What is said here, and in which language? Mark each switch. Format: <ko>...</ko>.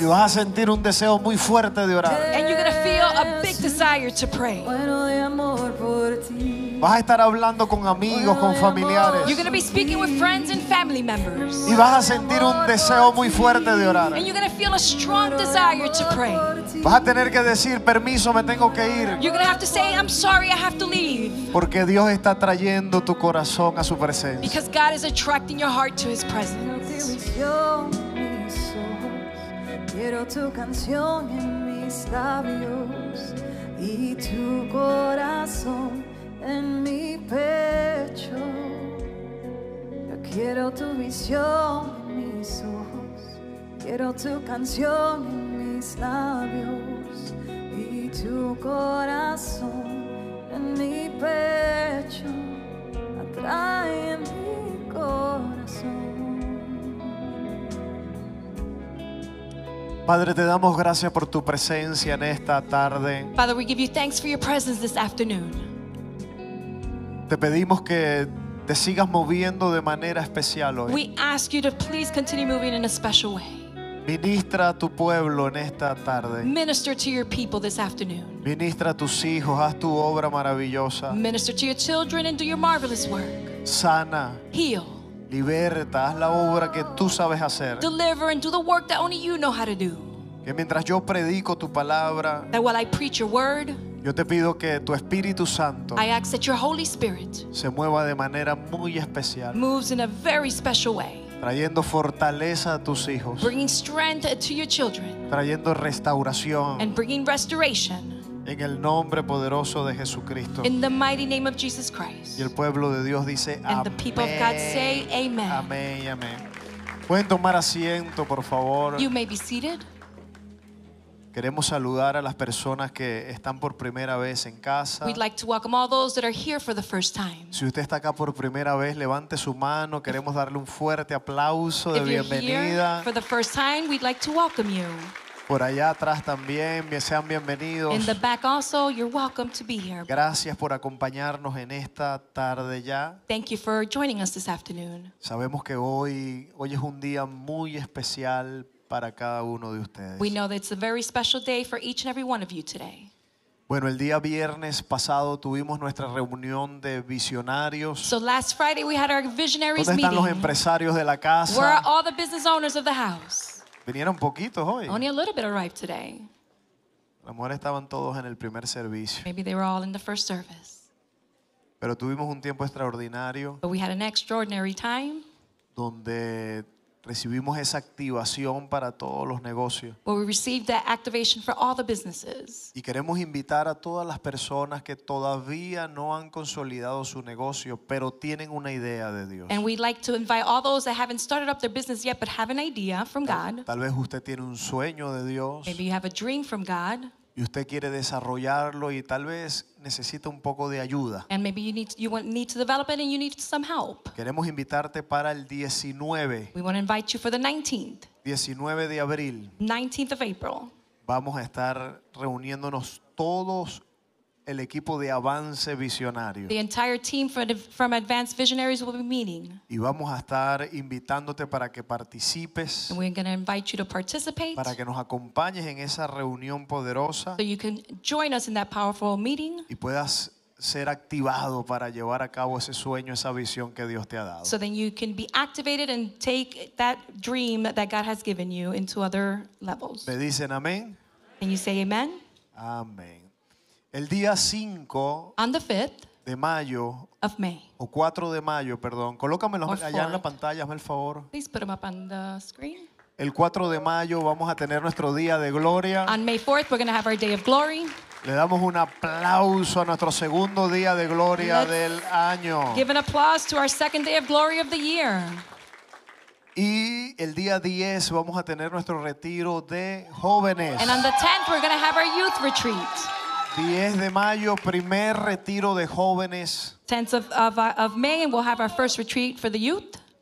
<es>Y vas a sentir un deseo muy fuerte de orar.</es> <en>And you're going to feel a big desire to pray.</en> <es>Bueno de amor por ti. Vas a estar hablando con amigos, con familiares.</es> <en>You're going to be speaking with friends and family members.</en> <es>Y vas a sentir un deseo muy fuerte de orar.</es> <en>And you're going to feel a strong desire to pray.</en> <es>Vas a tener que decir, permiso, me tengo que ir.</es> <en>You're going to have to say, I'm sorry, I have to leave.</en> <es>Porque Dios está trayendo tu corazón a su presencia.</es> <en>Because God is attracting your heart to his presence.</en> <es>Quiero tu canción en mis labios y tu corazón en mi pecho. Yo quiero tu visión en mis ojos, quiero tu canción en mis labios y tu corazón en mi pecho. Atrae en mi corazón. Padre, te damos gracias por tu presencia en esta tarde.</es> <en>Father, we give you thanks for your presence this afternoon.</en> <es>Te pedimos que te sigas moviendo de manera especial hoy.</es> <en>We ask you to please continue moving in a special way.</en> <es>Ministra a tu pueblo en esta tarde.</es> <en>Minister to your people this afternoon.</en> <es>Ministra a tus hijos, haz tu obra maravillosa.</es> <en>Minister to your children and do your marvelous work.</en> <es>Sana.</es> <en>Heal.</en> <es>Liberta, haz la obra que tú sabes hacer.</es> <en>Deliver and do the work that only you know how to do.</en> <es>Que mientras yo predico tu palabra,</es> <en>that while I preach your word,</en> <es>yo te pido que tu Espíritu Santo,</es> <en>I ask that your Holy Spirit,</en> <es>se mueva de manera muy especial,</es> <en>moves in a very special way,</en> <es>trayendo fortaleza a tus hijos,</es> <en>bringing strength to your children,</en> <es>trayendo restauración,</es> <en>and bringing restoration,</en> <es>en el nombre poderoso de Jesucristo,</es> <en>in the mighty name of Jesus Christ.</en> <es>Y el pueblo de Dios dice,</es> <en>and</en> <es>amén.</es> <en>The people of God say, amen.</en> <es>Amén, amén. Pueden tomar asiento, por favor.</es> <en>You may be seated.</en> <es>Queremos saludar a las personas que están por primera vez en casa.</es> <en>We'd like to welcome all those that are here for the first time.</en> <es>Si usted está acá por primera vez, levante su mano. Queremos darle un fuerte aplauso de bienvenida.</es> <en>If you're here for the first time, we'd like to welcome you.</en> <es>Por allá atrás también, sean bienvenidos.</es> <en>In the back also, you're welcome to be here.</en> <es>Gracias por acompañarnos en esta tarde ya.</es> <en>Thank you for joining us this afternoon.</en> <es>Sabemos que hoy es un día muy especial para cada uno de ustedes.</es> <en>We know that it's a very special day for each and every one of you today.</en> <es>Bueno, el día viernes pasado tuvimos nuestra reunión de visionarios.</es> <en>So last Friday we had our visionaries meeting.</en> <es>¿Dónde están los empresarios de la casa?</es> <en>Where are all the business owners of the house?</en> <es>Vinieron poquitos hoy.</es> <en>Only a little bit arrived today.</en> <es>A lo mejor estaban todos en el primer servicio.</es> <en>Maybe they were all in the first service.</en> <es>Pero tuvimos un tiempo extraordinario.</es> <en>But we had an extraordinary time.</en> <es>Donde recibimos esa activación para todos los negocios.</es> <en>Well, we received that activation for all the businesses.</en> <es>Y queremos invitar a todas las personas que todavía no han consolidado su negocio, pero tienen una idea de Dios.</es> <en>And we'd like to invite all those that haven't started up their business yet, but have an idea from God.</en> <es>Tal vez usted tiene un sueño de Dios.</es> <en>Maybe you have a dream from God.</en> <es>Y usted quiere desarrollarlo y tal vez necesita un poco de ayuda.</es> <en>And maybe you need to develop it and you need some help.</en> <es>Queremos invitarte para el 19.</es> <en>We want to invite you for the 19th.</en> <es>19 de abril.</es> <en>19th of April.</en> <es>Vamos a estar reuniéndonos todos el equipo de avance visionario.</es> <en>The entire team from Advanced Visionaries will be meeting.</en> <es>Y vamos a estar invitándote para que participes.</es> <en>And we're going to invite you to participate.</en> <es>Para que nos acompañes en esa reunión poderosa.</es> <en>So you can join us in that powerful meeting.</en> <es>Y puedas ser activado para llevar a cabo ese sueño, esa visión que Dios te ha dado.</es> <en>So then you can be activated and take that dream that God has given you into other levels.</en> <es>¿Me dicen amén?</es> <en>Can you say amen?</en> <es>Amén. El día 5 de mayo,</es> <en>of May,</en> <es>o 4 de mayo, perdón, colócamelo allá en la pantalla, hazme el favor.</es> <en>Please put them up on the screen.</en> <es>El 4 de mayo vamos a tener nuestro día de gloria.</es> <en>On May 4th, we're going to have our day of glory.</en> <es>Le damos un aplauso a nuestro segundo día de gloria del año.</es> <en>Give an applause to our second day of glory of the year.</en> <es>Y el día 10 vamos a tener nuestro retiro de jóvenes.</es> <en>And on the 10th, we're going to have our youth retreat.</en> <es>10 de mayo, primer retiro de jóvenes.</es> <en>10th of May, and we'll have our first retreat for the youth.</en>